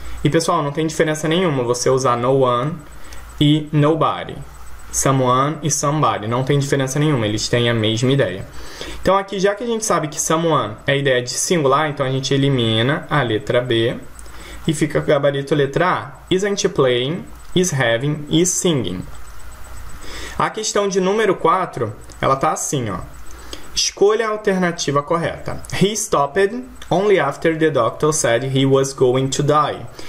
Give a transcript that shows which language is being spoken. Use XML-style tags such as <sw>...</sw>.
<pt>E pessoal, não tem diferença nenhuma você usar no one e nobody. Someone e somebody. Não tem diferença nenhuma. Eles têm a mesma ideia. Então aqui, já que a gente sabe que someone é ideia de singular, então a gente elimina a letra B. E fica com o gabarito letra A.</pt> <en>Isn't playing, is having, is singing.</en> <pt>A questão de número 4, ela tá assim, ó. Escolha a alternativa correta.</pt> <en>He stopped only after the doctor said he was going to die.</en>